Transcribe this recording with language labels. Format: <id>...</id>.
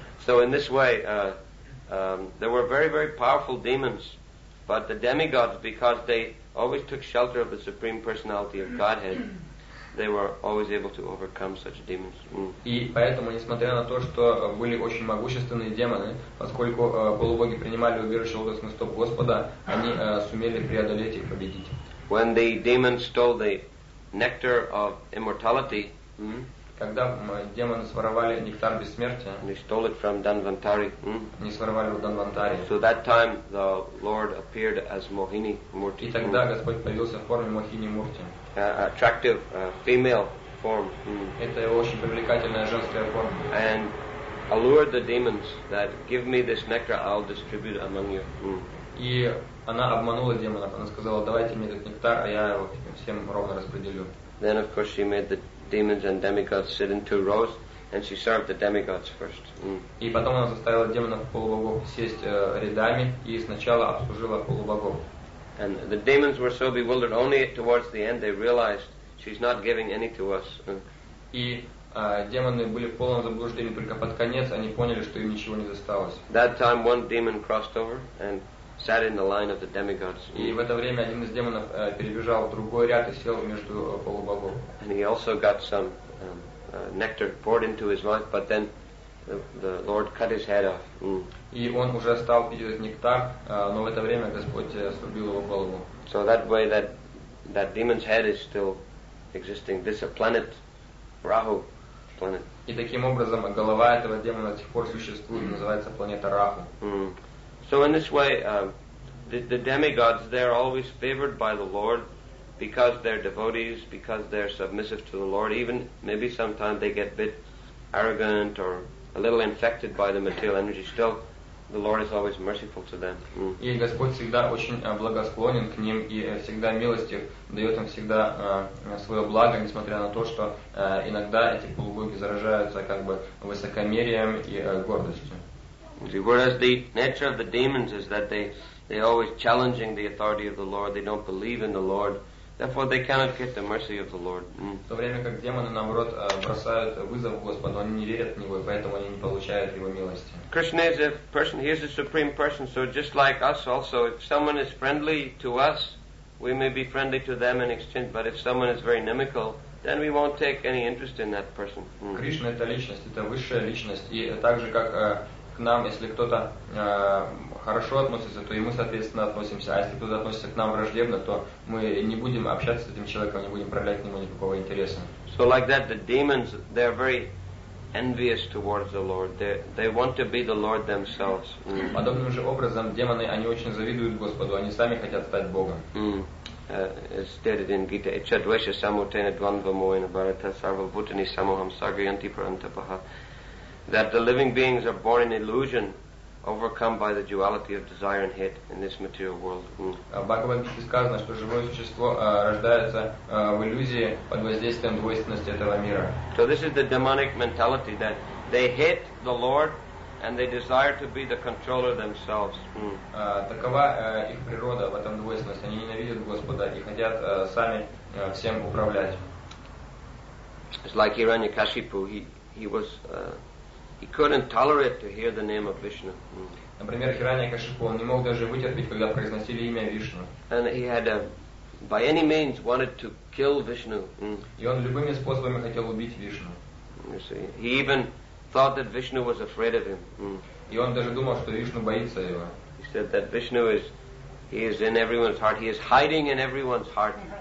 <en>So in this way, there were very, very powerful demons But the demigods, because they always took shelter of the Supreme Personality of Godhead, they were always able to overcome such demons.</en> <ru>И поэтому, несмотря на то, что были очень могущественные демоны, поскольку полубоги принимали убежище в лоно стоп Господа, они сумели преодолеть и победить.</ru> <en>When the demons stole the nectar of immortality,</en> <ru>когда демоны своровали нектар бессмертия,</ru> <en>they stole it from Dhanvantari.</en> <ru>Они своровали у Dhanvantari.</ru> <en>So that time the Lord appeared as Mohini Murti.</en> <ru>И тогда Господь появился в форме Мохини Мурти.</ru> <en>Attractive female form.</en> <ru>Это очень привлекательная женская форма.</ru> <en>And allured the demons that give me this nectar, I'll distribute among you.</en> <ru>И она обманула демонов. Она сказала: давайте мне этот нектар, а я его всем ровно распределю.</ru> <en>Then of course she made the demons and demigods sit in two rows, and she served the demigods first.</en> <ru>И потом она заставила демонов полубогов сесть рядами и сначала обслужила полубогов.</ru> <en>And the demons were so bewildered. Only towards the end they realized she's not giving any to us.</en> <ru>И демоны были в полном заблуждении. Только под конец они поняли, что им ничего не досталось.</ru> <en>That time one demon crossed over and sat in the line of the demigods.</en> <ru>И в это время один из демонов перебежал в другой ряд и сел между полубогов.</ru> <en>And he also got some nectar poured into his mouth, but then the Lord cut his head off.</en> <ru>И он уже стал пить этот нектар, но в это время Господь срубил его голову.</ru> <en>So that way that demon's head is still existing. This is a planet, Rahu planet.</en> <ru>И таким образом голова этого демона до сих пор существует, называется планета Раху.</ru> <en>So in this way, the demigods, they're always favored by the Lord because they're devotees, because they're submissive to the Lord. Even maybe sometimes they get a bit arrogant or a little infected by the material energy. Still, the Lord is always merciful to them.</en> <ru>И Господь всегда очень благосклонен к ним и всегда милостив, дает им всегда свое благо, несмотря на то, что иногда эти полубоги заражаются как бы высокомерием и гордостью.</ru> <en>Whereas the nature of the demons is that they are always challenging the authority of the Lord. They don't believe in the Lord. Therefore, they cannot get the mercy of the Lord.</en> <ru>В то время как демоны, наоборот, бросают вызов Господу, они не верят в Него, и поэтому они не получают Его милости.</ru> <en>Krishna is a person, He is a supreme person, so just like us also, if someone is friendly to us, we may be friendly to them in exchange, but if someone is very inimical, then we won't take any interest in that person.</en> <ru>Krishna — это личность, это высшая личность, и так же, как к нам, если кто-то хорошо относится, то и мы, соответственно, относимся. А если кто-то относится к нам враждебно, то мы не будем общаться с этим человеком, не будем проявлять к нему никакого интереса.</ru> <en>So like that, the demons, they are very envious towards the Lord. They want to be the Lord themselves.</en> <ru>Подобным же образом, демоны, они очень завидуют Господу, они сами хотят стать Богом.</ru> <en>As stated in Gita,</en> <sa>Ichadvesha Samutena Dvandvamoyana Bharata Sarvabhutani Samoham Sargayanti Parantapaha,</sa> <en>that the living beings are born in illusion, overcome by the duality of desire and hate in this material world.</en> <ru>В Бхагавад-гите сказано, что живое существо рождается в иллюзии под воздействием двойственности этого мира.</ru> <en>So this is the demonic mentality, that they hate the Lord and they desire to be the controller themselves.</en> <ru>Такова их природа в этом двойственности. Они ненавидят Господа и хотят сами всем управлять.</ru> <en>It's like Hiranyakashipu. He couldn't tolerate to hear the name of Vishnu.</en> <ru>Например, Хираньякашипу, он не мог даже вытерпеть, когда произносили имя Вишну.</ru> <en>And he had by any means wanted to kill Vishnu.</en> <ru>И он любыми способами хотел убить Вишну.</ru> <en>You see, he even thought that Vishnu was afraid of him.</en> <ru>И он даже думал, что Вишну боится его.</ru> <en>He said that Vishnu is, he is in everyone's heart, he is hiding in everyone's heart.</en>